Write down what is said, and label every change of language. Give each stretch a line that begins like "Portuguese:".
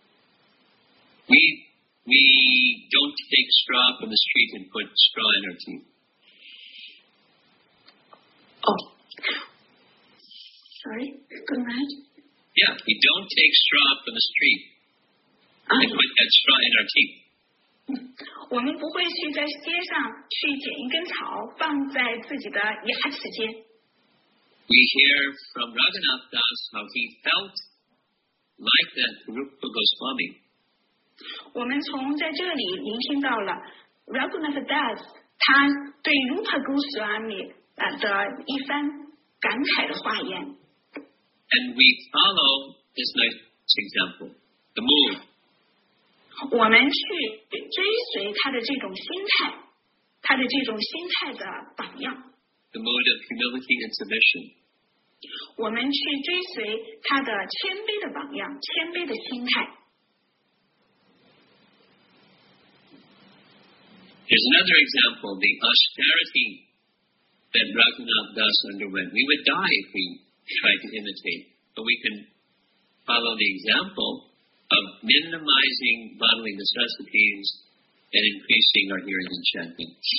English: We don't take straw from the street and put straw in our teeth. Oh. Sorry, go ahead. Yeah, we don't take straw from the street and put that straw in our teeth.
Chinese: 我们不会去在街上去捡一根草放在自己的牙齿间。
English: We hear from Raghunath Das how he felt like that Rupa Goswami.
Chinese: 我们从在这里聆听到了 Raghunath Das 他对 Rupa Goswami 的一番感慨的话言。
English: And we follow this nice example, the mood.
Chinese: 我们去追随他的这种心态，他的这种心态的榜样。
English: The mood of humility and submission.
Chinese: 我们去追随他的谦卑的榜样，谦卑的心态。
English: Here's another example, the austerity that Raghunath Das underwent. We would die if we tried to imitate, but we can follow the example of minimizing bodily necessities and increasing our hearing and chanting.